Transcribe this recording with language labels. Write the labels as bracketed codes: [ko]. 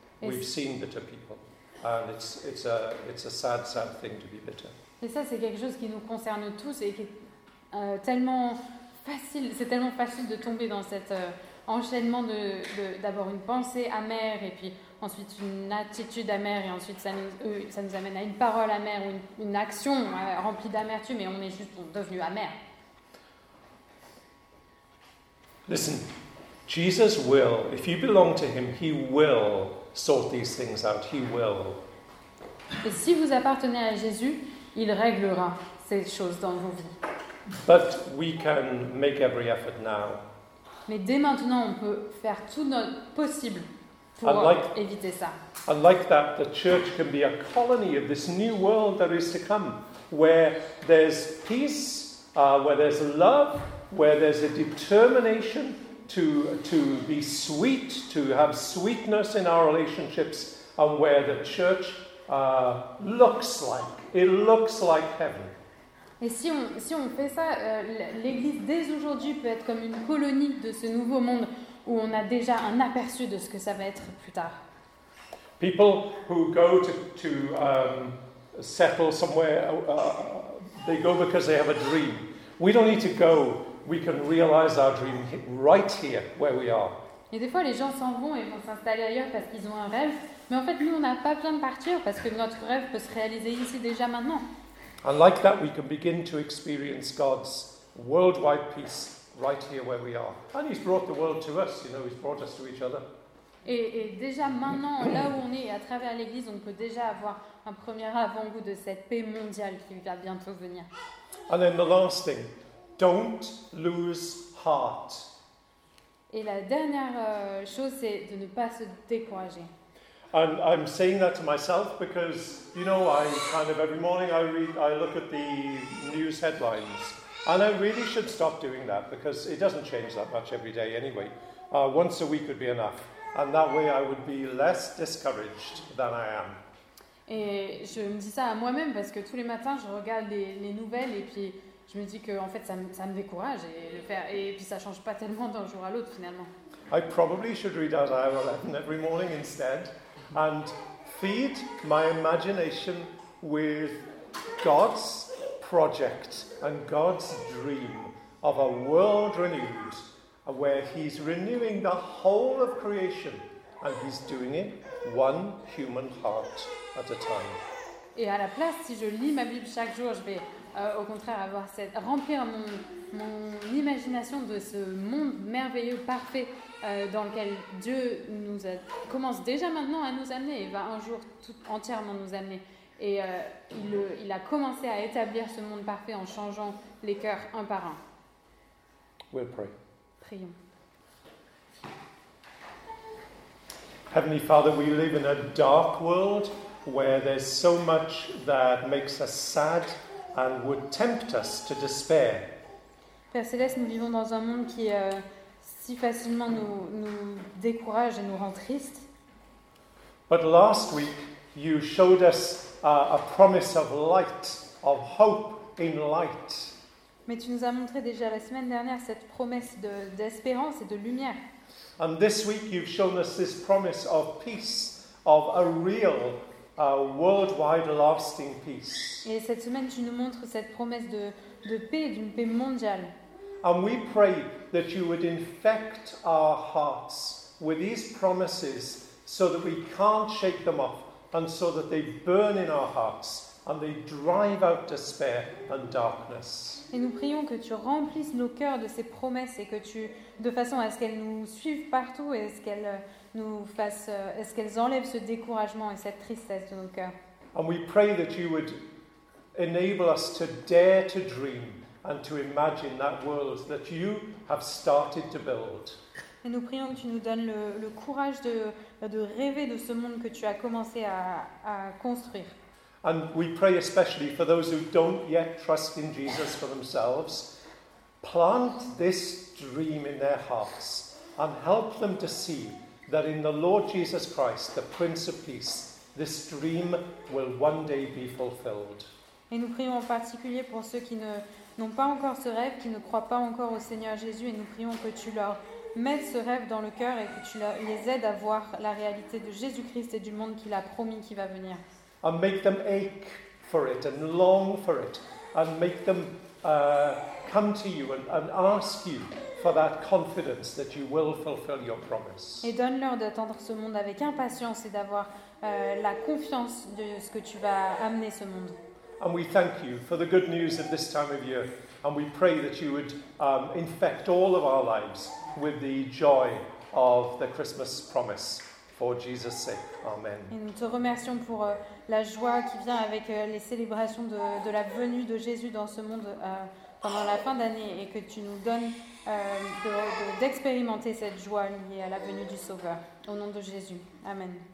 [en] We've seen bitter people, and it's a sad, sad thing to be bitter. [fr] Et ça, c'est quelque chose qui nous concerne tous et qui est tellement facile. C'est tellement facile de tomber dans cet enchaînement de d'abord une pensée amère et puis ensuite une attitude amère et ensuite ça nous amène à une parole amère ou une action remplie d'amertume et on est devenu amer. [en] Listen, Jesus will, if you belong to him, he will sort these things out, he will. [fr] Et si vous appartenez à Jésus, il réglera ces choses dans vos vies. [en] But we can make every effort now. [fr] Mais dès maintenant, on peut faire tout notre possible pour éviter ça. [en] And like that, the church can be a colony of this new world that is to come. where there's peace, where there's love, where there's a determination to be sweet, to have sweetness in our relationships, and where the church looks like, it looks like heaven. [fr] Et si on fait ça, l'Église dès aujourd'hui peut être comme une colonie de ce nouveau monde où on a déjà un aperçu de ce que ça va être plus tard. [en] People who go to settle somewhere, they go because they have a dream. We don't need to go. We can realize our dream right here where we are. [fr] Et des fois, les gens s'en vont et vont s'installer ailleurs parce qu'ils ont un rêve. Mais en fait, nous, on n'a pas besoin de partir parce que notre rêve peut se réaliser ici déjà maintenant. [en] And like that, we can begin to experience God's worldwide peace right here where we are. And He's brought the world to us, you know, He's brought us to each other. [fr] Et déjà maintenant, là où on est, à travers l'Église, on peut déjà avoir un premier avant-goût de cette paix mondiale qui va bientôt venir. [en] And then the last thing, don't lose heart. [fr] Et la dernière chose, c'est de ne pas se décourager. [en] And I'm saying that to myself because, you know, I kind of every morning I look at the news headlines. And I really should stop doing that because it doesn't change that much every day anyway. Once a week would be enough. And that way I would be less discouraged than I am. [fr] Et je me dis ça à moi-même parce que tous les matins je regarde les nouvelles et puis je me dis que en fait ça me décourage et puis ça change pas tellement d'un jour à l'autre finalement. [en] I probably should read Isaiah 11 every morning instead and feed my imagination with God's project and God's dream of a world renewed where he's renewing the whole of creation and he's doing it one human heart at a time. [fr] Et à la place, si je lis ma Bible chaque jour, je vais au contraire avoir cette remplir mon imagination de ce monde merveilleux, parfait dans lequel Dieu commence déjà maintenant à nous amener et va un jour tout entièrement nous amener. Et il a commencé à établir ce monde parfait en changeant les cœurs un par un. [en] We'll pray. [fr] Prions. [en] Heavenly Father, we live in a dark world where there's so much that makes us sad and would tempt us to despair. [fr] Père Céleste, nous vivons dans un monde qui si facilement nous décourage et nous rend triste. [en] But last week, you showed us a promise of light, of hope in light. [fr] Mais tu nous as montré déjà la semaine dernière cette promesse d'espérance et de lumière. [en] And this week, you've shown us this promise of peace, of a real, worldwide lasting peace. [fr] Et cette semaine, tu nous montres cette promesse de paix, d'une paix mondiale. [en] And we pray that you would infect our hearts with these promises so that we can't shake them off and so that they burn in our hearts and they drive out despair and darkness. [fr] Et nous prions que tu remplisses nos cœurs de ces promesses et que tu, de façon à ce qu'elles nous suivent partout et à ce qu'elles enlèvent ce découragement et cette tristesse de nos cœurs. [en] And we pray that you would enable us to dare to dream and to imagine that world that you have started to build. [fr] Et nous prions que tu nous donnes le courage de rêver de ce monde que tu as commencé à construire. [en] And we pray especially for those who don't yet trust in Jesus for themselves. Plant this dream in their hearts and help them to see that in the Lord Jesus Christ, the Prince of Peace, this dream will one day be fulfilled. [fr] Et nous prions en particulier pour ceux qui n'ont pas encore ce rêve, qui ne croient pas encore au Seigneur Jésus, et nous prions que tu leur mettes ce rêve dans le cœur et que tu les aides à voir la réalité de Jésus-Christ et du monde qu'il a promis qui va venir. [en] And make them ache for it and long for it and make them come to you and ask you for that confidence that you will fulfill your promise. [fr] Et donne-leur d'attendre ce monde avec impatience et d'avoir la confiance de ce que tu vas amener ce monde. [en] And we thank you for the good news of this time of year and we pray that you would infect all of our lives with the joy of the Christmas promise for Jesus' sake. Amen. [fr] Et nous te remercions pour la joie qui vient avec les célébrations de la venue de Jésus dans ce monde pendant la fin d'année et que tu nous donnes d'expérimenter cette joie liée à la venue du Sauveur. Au nom de Jésus. Amen.